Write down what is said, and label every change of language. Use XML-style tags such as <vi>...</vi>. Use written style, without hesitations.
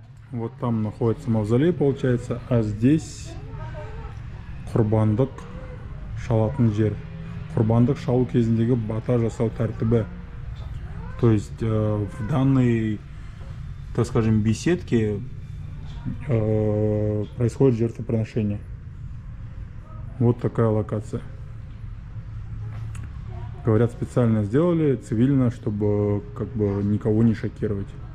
<ru>Вот там находится мавзолей, получается, а здесь</ru> <kk>курбандык шалатын жер. Курбандык шалу кезіндегі бата жасау тәртібі.</kk> <ru>То есть в данной, так скажем, беседке происходит жертвоприношение. Вот такая локация. Говорят, специально сделали цивильно, чтобы как бы никого не шокировать.</ru>